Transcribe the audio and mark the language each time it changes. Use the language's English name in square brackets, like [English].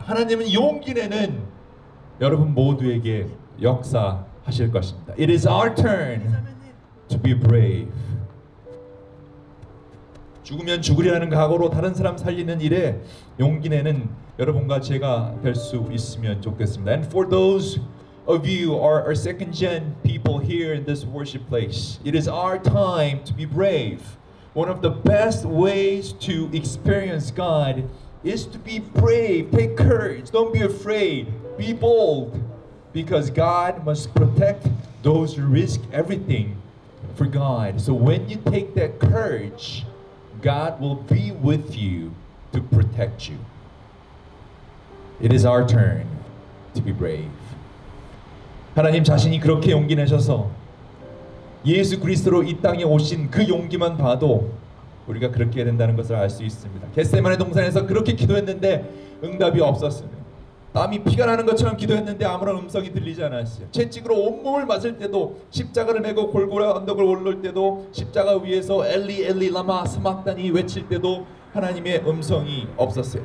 [Korean] 하나님은 용기 내는 여러분 모두에게 역사하실 것입니다. [English] It is our turn to be brave. [Korean] 죽으면 죽으리라는 각오로 다른 사람 살리는 일에 용기 내는 여러분과 제가 될 수 있으면 좋겠습니다. [English] And for those of you are our second gen people here in this worship place. It is our time to be brave. One of the best ways to experience God is to be brave. Take courage. Don't be afraid. Be bold. Because God must protect those who risk everything for God. So when you take that courage, God will be with you to protect you. It is our turn to be brave. [Korean] 하나님 자신이 그렇게 용기 내셔서 예수 그리스도로 이 땅에 오신 그 용기만 봐도 우리가 그렇게 해야 된다는 것을 알 수 있습니다. 겟세마네 동산에서 그렇게 기도했는데 응답이 없었습니다. 땀이 피가 나는 것처럼 기도했는데 아무런 음성이 들리지 않았어요. 채찍으로 온몸을 맞을 때도, 십자가를 메고 골고라 언덕을 오를 때도, 십자가 위에서 엘리 엘리 라마 사박다니 외칠 때도 하나님의 음성이 없었어요.